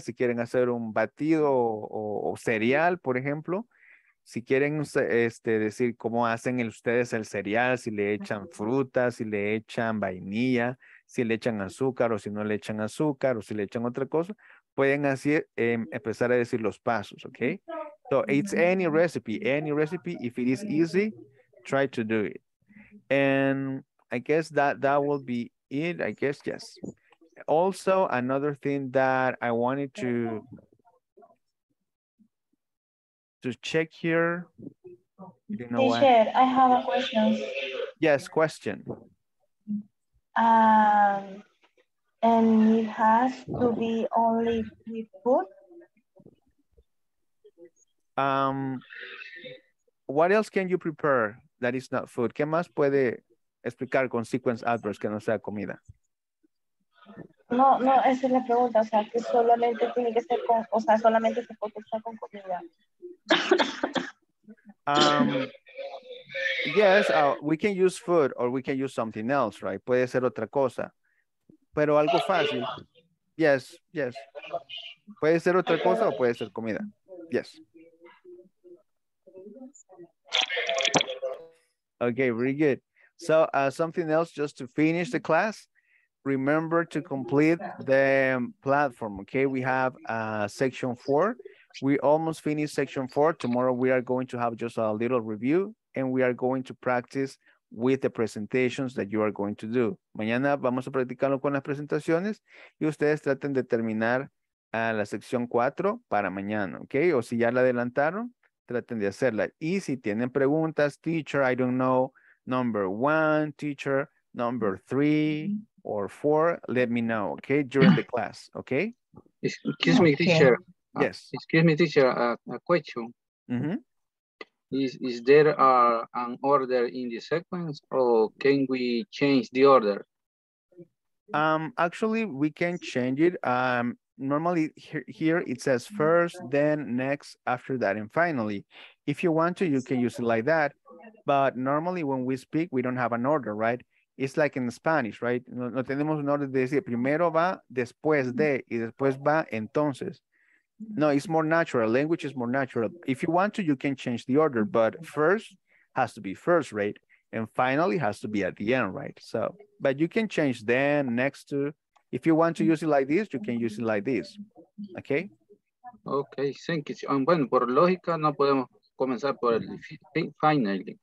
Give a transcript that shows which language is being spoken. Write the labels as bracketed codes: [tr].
[es] Si quieren hacer un batido o cereal, por ejemplo, si quieren decir cómo hacen ustedes el cereal, si le echan frutas, si le echan vainilla, si le echan azúcar o si no le echan azúcar o si le echan otra cosa, pueden así empezar a decir los pasos, ¿ok? [en] So it's any recipe, if it is easy, try to do it. And I guess that will be it, I guess, yes. Also, another thing that I wanted to check here. You know, teacher, I have a question. Yes, question. And it has to be only with food? What else can you prepare that is not food? [es] ¿Qué más puede explicar con sequence adverbs que no sea comida? No, esa es la pregunta. O sea, que solamente tiene que ser con, o sea, solamente se puede usar con comida. [en] Yes, we can use food or we can use something else, right? [es] Puede ser otra cosa, pero algo fácil. Yes. Puede ser otra cosa o puede ser comida. [en] Yes. Okay, very good. So something else just to finish the class. Remember to complete the platform, okay? We have section 4. We almost finished section 4. Tomorrow we are going to have just a little review and we are going to practice with the presentations that you are going to do. [es] Mañana vamos a practicarlo con las presentaciones y ustedes traten de terminar la sección 4 para mañana, okay? O si ya la adelantaron, traten de hacerla. Y si tienen preguntas, [en] teacher, I don't know, number one, teacher, number three or four, let me know, okay, during the class, okay? Excuse me, teacher. Yes. Excuse me, teacher, a question. Mm-hmm. Is there an order in the sequence or can we change the order? Actually, we can change it. Normally here it says first, then next, after that, and finally. If you want to, you can use it like that. But normally when we speak, we don't have an order, right? It's like in Spanish, right? [es] No tenemos un orden de decir primero va, después de, y después va, entonces. [en] No, it's more natural. Language is more natural. If you want to, you can change the order, but first has to be first, right? And finally has to be at the end, right? So, but you can change then, next to. If you want to use it like this, you can use it like this. Okay? Okay, thank you. [es] Bueno, por lógica, no podemos comenzar por el finally.